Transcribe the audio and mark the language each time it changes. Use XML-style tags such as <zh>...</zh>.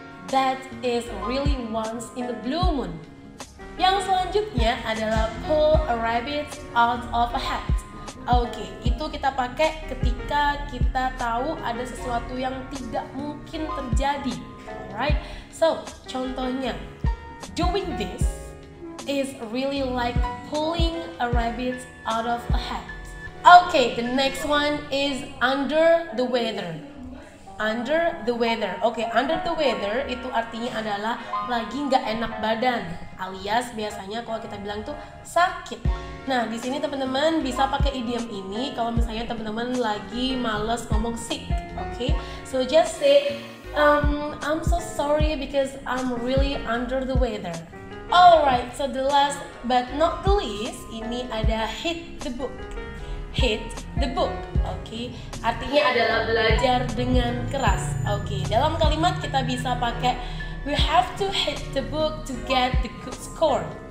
<en>That is really once in a blue moon.</en> <id>Yang selanjutnya adalah</id> <en>pull a rabbit out of a hat.</en> <id>Itu kita pakai ketika kita tahu ada sesuatu yang tidak mungkin terjadi.</id> <en>Alright? So,</en> <id>contohnya,</id> <en>doing this is really like pulling a rabbit out of a hat. The next one is under the weather. Under the weather.</en> <id>Under the weather itu artinya adalah lagi nggak enak badan, alias biasanya kalau kita bilang tuh sakit. Nah, di sini teman-teman bisa pakai idiom ini kalau misalnya teman-teman lagi malas ngomong sick.</id> <en>So just say I'm so sorry because I'm really under the weather. Alright, so the last but not the least,</en> <id>ini ada</id> <en>hit the book.</en> <id>Hit the book, artinya adalah belajar dengan keras. Dalam kalimat kita bisa pakai</id> <en>we have to hit the book to get the good score.</en>